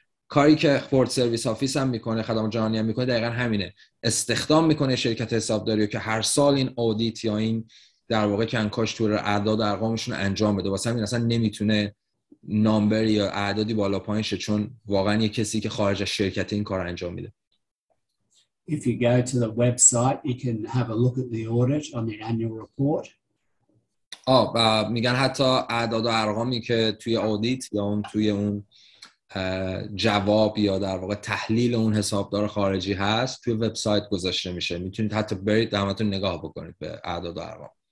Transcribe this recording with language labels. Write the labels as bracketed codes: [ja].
[fa] کاری که فورد سرویس آفیس هم میکنه، خدمات جهانی هم میکنه، دقیقا همینه. استخدام میکنه شرکت حسابداری رو که هر سال این اودیت یا این در واقع کنکاش تو اعداد و ارقامشون رو انجام بده. واسه همین اصلا نمیتونه نامبر یا اعدادی بالا پایین شه، چون واقعا یه کسی که خارج از شرکت این کار انجام میده. [en] If you go to the website you can have a look at the audit on the annual report. [fa] میگن حتی اعداد و ارقامی که توی اودیت یا اون توی اون جواب یا در واقع تحلیل اون حسابدار خارجی هست توی وبسایت گذاشته میشه، میتونید حتی برید دمتون نگاه بکنید به اعداد و ارقام.